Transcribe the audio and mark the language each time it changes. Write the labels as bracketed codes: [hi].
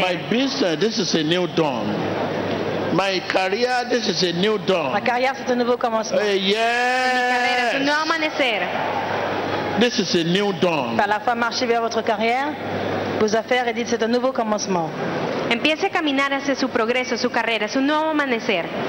[en] My business, this is a new dawn. My career, this is a new dawn. [fr] Ma carrière, c'est un nouveau commencement. [en] Yes. [fr] Un nouveau amanecer. [en] This is a new dawn. [fr] Par la foi, marchez vers votre carrière, vos affaires, et dites c'est un nouveau commencement. [es] Empiece a caminar hacia su progreso, su carrera, su nuevo amanecer.